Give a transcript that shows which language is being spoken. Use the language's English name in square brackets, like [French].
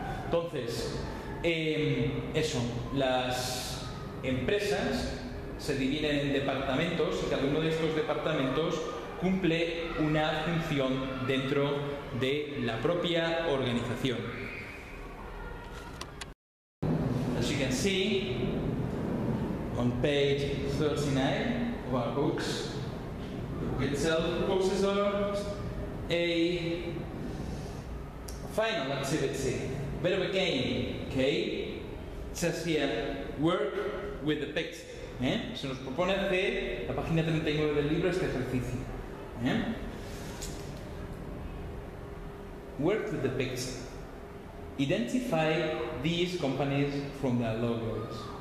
[Spanish] Entonces, eso, las empresas se dividen en departamentos y cada uno de estos departamentos cumple una función dentro de la propia organización. [English] As you can see on page 39 of our books, the book itself focuses on a final activity, bit of a game, okay? It says here, work with the picks. [Spanish] Se nos propone hacer la página 39 del libro este ejercicio. [English] Work with the picks. Identify these companies from their logos.